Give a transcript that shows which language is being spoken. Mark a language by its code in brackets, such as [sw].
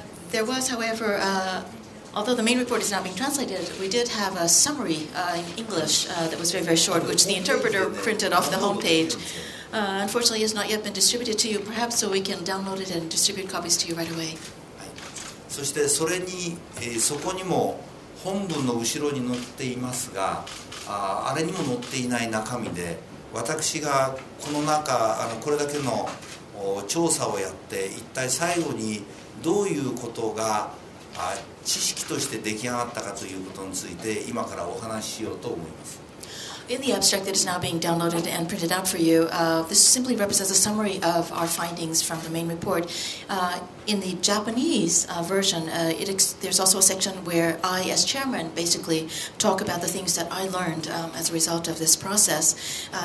[en] There was, however, although the main report is now being translated, we did have a summary in English that was very, very short, which the interpreter printed off the homepage. Unfortunately, it has not yet been distributed to you. Perhaps so we can download it and distribute copies to you right away. [ja] そしてそれに、そこにも本文の後ろに載っていますが、あれにも載っていない中身で、私がこの中、これだけの調査をやって、一体最後にどういうことが知識として出来上がったかということについて、今からお話ししようと思います。 [en] In the abstract that is now being downloaded and printed out for you, this simply represents a summary of our findings from the main report. In the Japanese version, there's also a section where I, as chairman, basically talk about the things that I learned as a result of this process.